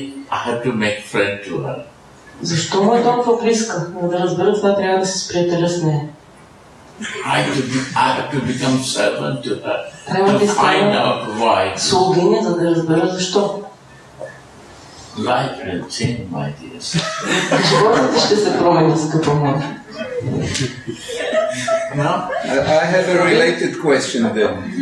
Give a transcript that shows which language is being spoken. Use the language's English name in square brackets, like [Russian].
[English] I have to make friend to her. [Bulgarian] Защо му е толкова близка? Да разбера, това трябва да се сприятеля с нея. [English] I have to become servant to her. [Bulgarian] Трябва да [English] find out why. [Bulgarian] Слугиня, за да разбера защо. [English] Life will change, my dear. [Bulgarian] Животът ще се промени, скъпо мое. [English] No? I have a related question then.